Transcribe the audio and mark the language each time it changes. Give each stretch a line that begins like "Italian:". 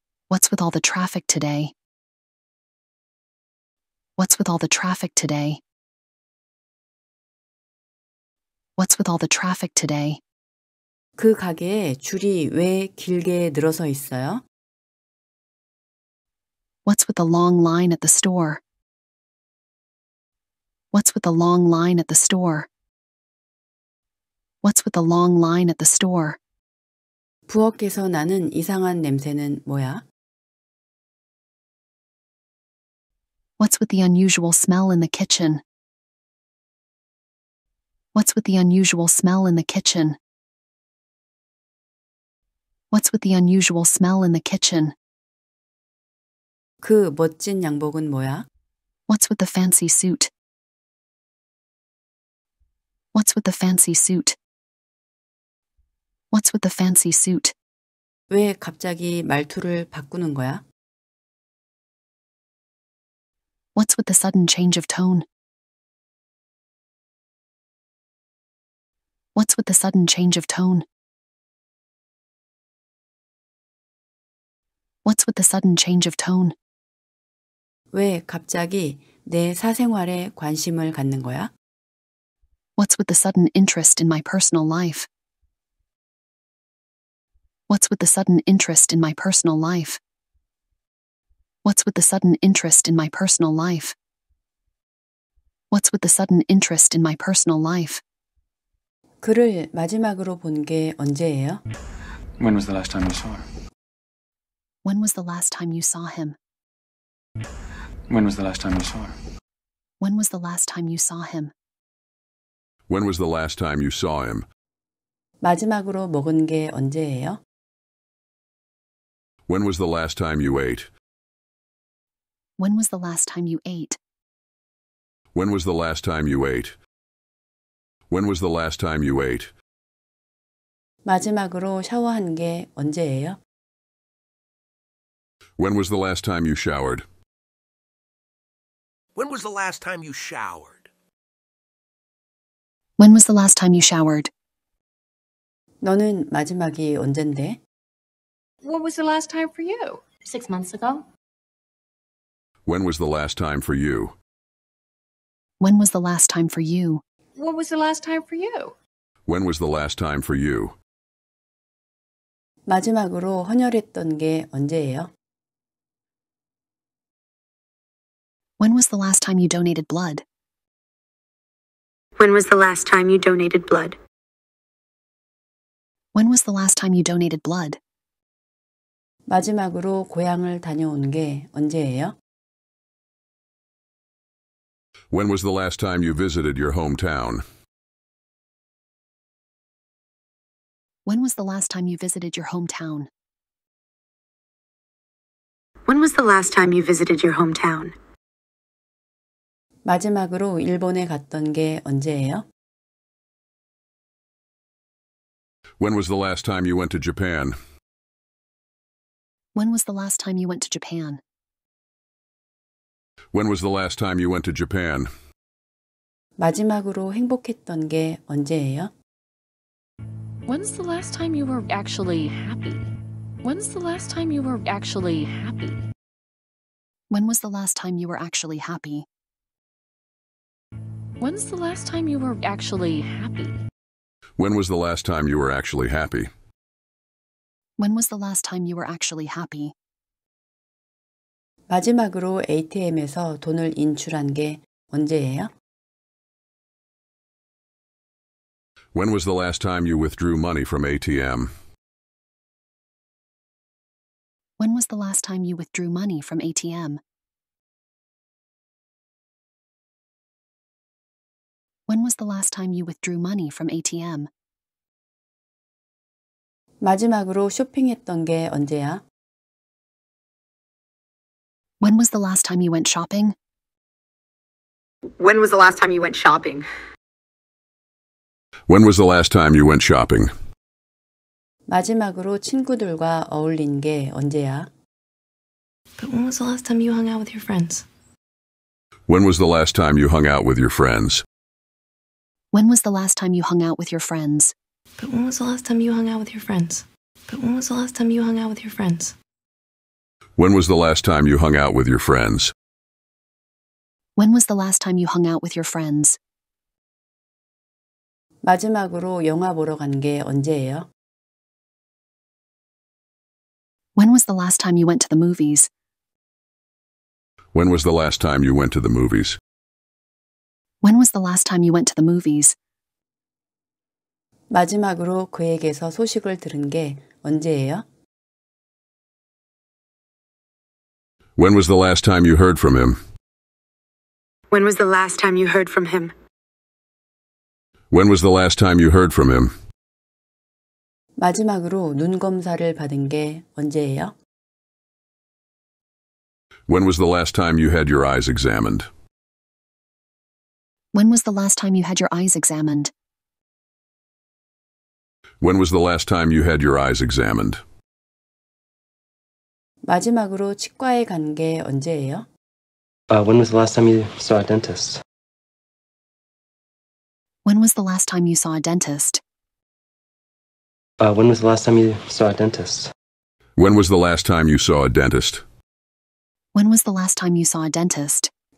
English: What's with all the traffic today? What's with all the traffic today? What's with all the traffic today?
Korean: 그 가게에 줄이 왜 길게 늘어서 있어요?
English: What's with the long line at the store? What's with the long line at the store? What's with the long line at the store?
Korean: 부엌에서 나는 이상한 냄새는 뭐야?
English: What's with the unusual smell in the kitchen? What's with the unusual smell in the kitchen? What's with the unusual smell in the kitchen?
Korean: 그 멋진 양복은 뭐야?
English: What's with the fancy suit? What's with the fancy suit? What's with the fancy suit?
Korean: 왜 갑자기 말투를 바꾸는 거야?
English: What's with the sudden change of tone? What's with the sudden change of tone? What's with the sudden change of tone?
Korean: 왜 갑자기 내 사생활에 관심을 갖는 거야?
English: What's with the sudden interest in my personal life? What's with the sudden interest in my personal life? What's with the sudden interest in my personal life? What's with the sudden interest in my personal life?
Korean: 그를 마지막으로 본 게 언제예요?
English: When was the last time you saw her? When was the last time you saw him? When was the last time you saw her? When was the last time you saw him? When was the last time you saw him?
Korean: 마지막으로 먹은 게 언제예요?
English: When was the last time you ate? When was the last time you ate? When was the last time you ate? When was the last time you ate?
Korean: 마지막으로 샤워한 게 언제예요?
English: When was the last time you showered? When was the last time you showered? When was the last time you showered?
Korean: 너는 마지막이 언젠데?
English: What was the last time for you? 6 months ago. When was the last time for you? When was the last time for you? What was the last time for you? When was the last time for you?
Korean: 마지막으로 헌혈했던 게 언제예요?
English: When was the last time you donated blood? When was the last time you donated blood? When was the last time you donated blood?
Korean: 마지막으로 고향을 다녀온 게 언제예요?
English: When was the last time you visited your hometown? When was the last time you visited your hometown? When was the last time you visited your hometown?
Korean: 마지막으로 일본에 갔던 게 언제예요?
English: When was the last time you went to Japan? When was the last time you went to Japan? When was the last time you went to Japan?
Korean: 마지막으로 행복했던 게 언제예요?
English: When's the last time you were actually happy? When's the last time you were actually happy? When was the last time you were actually happy? When's the last time you were actually happy? When was the last time you were actually happy? When was the last time you were actually happy?
Korean: 마지막으로 ATM에서 돈을 인출한 게 언제예요?
English: When was the last time you withdrew money from ATM? When was the last time you withdrew money from ATM? When was the last time you withdrew money from ATM?
Korean: 마지막으로 쇼핑했던 게 언제야?
English: When was the last time you went shopping? When was the last time you went shopping? When was the last time you went shopping?
Korean: 마지막으로 친구들과 어울린 게 언제야?
English: But when was the last time you hung out with your friends? When was the last time you hung out with your friends? When was the last time you hung out with your friends? But when was the last time you hung out with your friends? But when was the last time you hung out with your friends? When was the last time you hung out with your friends? When was the last time you hung out with your friends?
Korean: 마지막으로 영화 보러 간 게 언제예요?
English: When was the last time you went to the movies? When was the last time you went to the movies? When was the last time you went to the movies?
Korean: 마지막으로 그에게서 소식을 들은 게 언제예요?
English: When was the last time you heard from him? When was the last time you heard from him? When was the last time you heard from him?
Korean: 마지막으로 눈 검사를 받은 게 언제예요?
English: When was the last time you had your eyes examined? When was the last time you had your eyes examined? When was the last time you had your eyes examined?
Korean: 마지막으로 치과에 간 게 언제예요?
English: When was the last time you saw a dentist? When was the last time you saw a dentist? When was the last time you saw a dentist? When was the last time you saw a dentist? When was the last time you saw a dentist?